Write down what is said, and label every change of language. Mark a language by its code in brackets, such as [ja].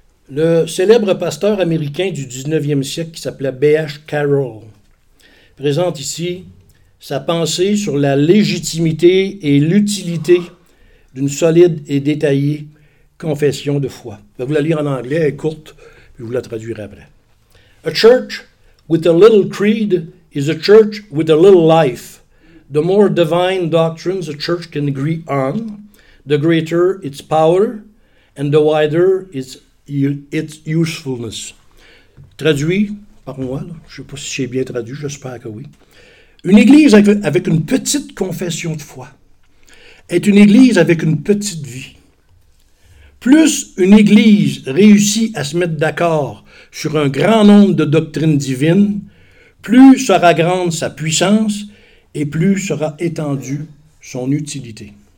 [fr] Le célèbre pasteur américain du 19e siècle qui s'appelait B.H. Carroll présente ici sa pensée sur la légitimité et l'utilité d'une solide et détaillée confession de foi. Je vais vous la lire en anglais, elle est courte, puis je vous la traduirai après. [en] « A church with a little creed is a church with a little life. The more divine doctrines a church can agree on, The greater its power and the wider its usefulness. [fr] Traduit par moi, là, je ne sais pas si j'ai bien traduit, j'espère que oui. Une église avec une petite confession de foi est une église avec une petite vie. Plus une église réussit à se mettre d'accord sur un grand nombre de doctrines divines, plus sera grande sa puissance et plus sera étendue son utilité.